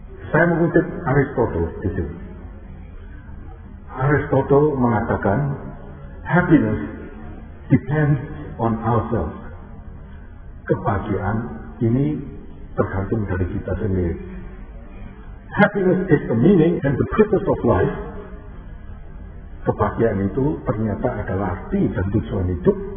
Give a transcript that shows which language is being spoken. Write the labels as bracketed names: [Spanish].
[Indonesian] Saya mengutip Aristotle. Aristotle mengatakan, [English] happiness depends on ourselves. [Indonesian] Kebahagiaan ini tergantung dari kita sendiri. [English] Happiness is the meaning and the purpose of life. [Indonesian] Kebahagiaan itu ternyata adalah arti dan tujuan hidup.